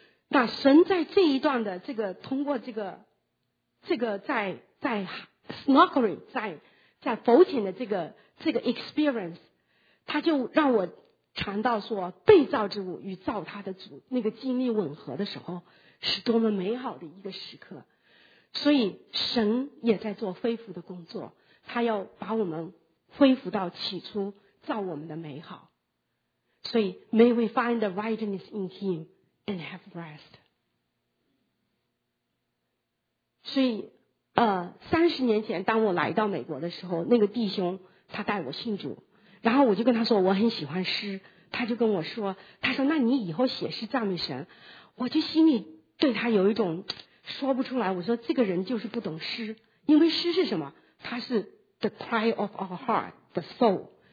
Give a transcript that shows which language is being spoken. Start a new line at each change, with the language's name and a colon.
Chinese: 那神在这一段的这个通过这个在 snorkery 在浮潜的这个 experience， 他就让我尝到说被造之物与造他的主那个经历吻合的时候是多么美好的一个时刻。所以神也在做恢复的工作，他要把我们恢复到起初造我们的美好。
English: 所以 May we find the rightness in him。 And have rest.
Chinese: 所以30年前当我来到美国的时候，那个弟兄他带我信主，然后我就跟他说我很喜欢诗，他就跟我说，他说那你以后写诗赞美神。我就心里对他有一种说不出来，我说这个人就是不懂诗，因为诗是什么，他是
English: the cry of our heart, the soul。